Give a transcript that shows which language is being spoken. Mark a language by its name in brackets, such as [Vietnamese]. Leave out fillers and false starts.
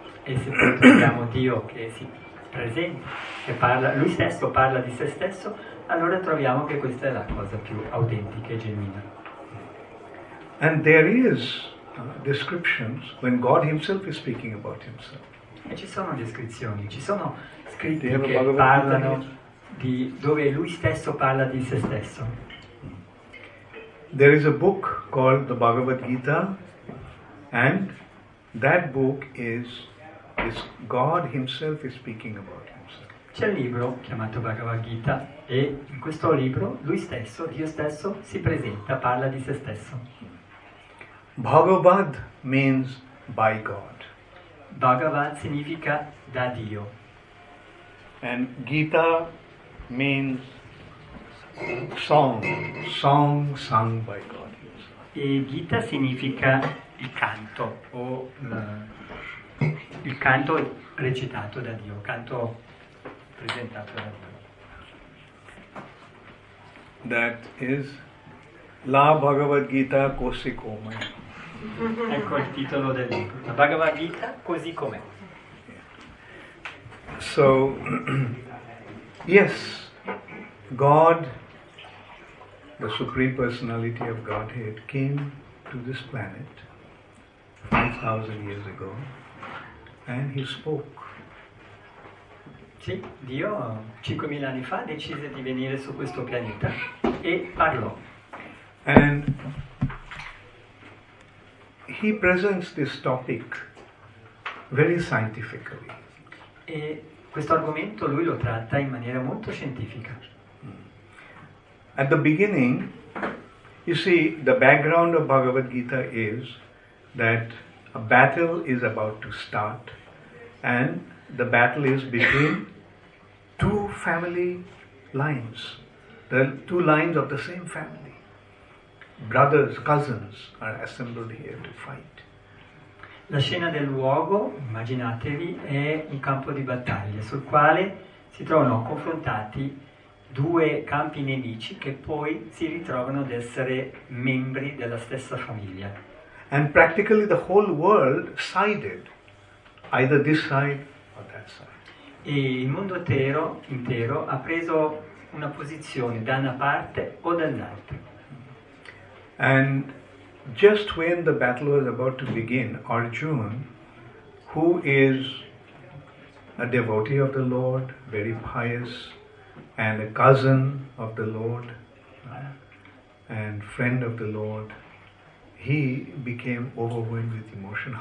[Italian] E se troviamo Dio che si presenta, che parla, Lui stesso parla di se stesso, allora troviamo che questa è la cosa più autentica e genuina. [English] And there is descriptions when God Himself is speaking about Himself. [Italian] E ci sono descrizioni, ci sono scritti che parlano di dove Lui stesso parla di se stesso. [English] There is a book called the Bhagavad Gita, and that book is God Himself is speaking about Himself. [Italian] C'è un libro chiamato Bhagavad Gita, e in questo libro Lui stesso, Dio stesso, si presenta, parla di se stesso. [English] Bhagavad means by God. [Italian] Bhagavad significa da Dio. [English] And Gita means song sung by God. [Italian] E Gita significa il canto o il canto recitato da Dio, canto presentato da Dio. [English] That is La Bhagavad Gita [Italian] così come. Ecco il titolo del libro, la Bhagavad Gita così com'è. [English] So, yes, God, the Supreme Personality of Godhead, came to this planet 5,000 years ago and He spoke. [Italian] Sì, Dio 5,000 anni fa decise di venire su questo pianeta e parlò. [English] And He presents this topic very scientifically. [Italian] E questo argomento lui lo tratta in maniera molto scientifica. [English] At the beginning, you see, the background of Bhagavad Gita is that a battle is about to start, and the battle is between two family lines, the two lines of the same family. Brothers, cousins are assembled here to fight. [Italian] La scena del luogo, immaginatevi, è un campo di battaglia sul quale si trovano confrontati due campi nemici che poi si ritrovano ad essere membri della stessa famiglia. [English] And practically the whole world sided, either this side or that side. [Italian] E il mondo intero ha preso una posizione da una parte o dall'altra. [English] And just when the battle was about to begin, Arjuna, who is a devotee of the Lord, very pious, and a cousin of the Lord, and friend of the Lord, he became overwhelmed with emotion.